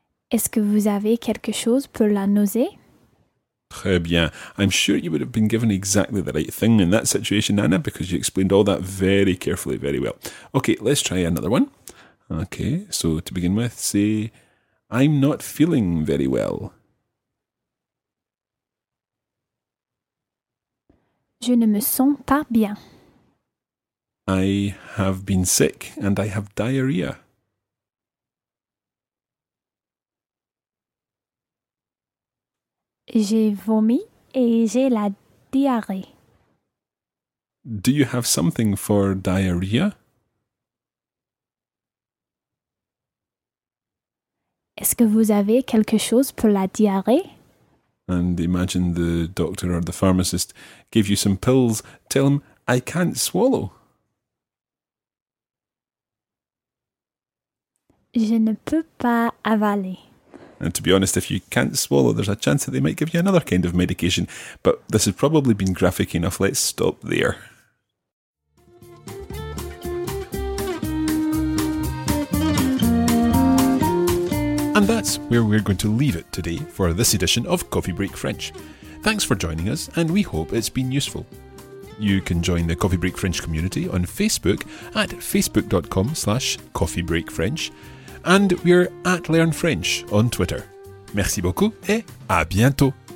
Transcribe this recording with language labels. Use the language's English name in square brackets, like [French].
[French] Est-ce que vous avez quelque chose pour la nausée? Très bien. [English] I'm sure you would have been given exactly the right thing in that situation, Anna, because you explained all that very carefully, very well. Okay, let's try another one. Okay, so to begin with, say, I'm not feeling very well. [French] Je ne me sens pas bien. [English] I have been sick and I have diarrhea. [French] J'ai vomi et j'ai la diarrhée. [English] Do you have something for diarrhea? [French] Est-ce que vous avez quelque chose pour la diarrhée? [English] And imagine the doctor or the pharmacist gave you some pills. Tell him, I can't swallow. [French] Je ne peux pas avaler. [English] And to be honest, if you can't swallow, there's a chance that they might give you another kind of medication. But this has probably been graphic enough. Let's stop there. And that's where we're going to leave it today for this edition of Coffee Break French. Thanks for joining us, and we hope it's been useful. You can join the Coffee Break French community on Facebook at facebook.com/coffeebreakfrench, and we're at Learn French on Twitter. [French] Merci beaucoup et à bientôt!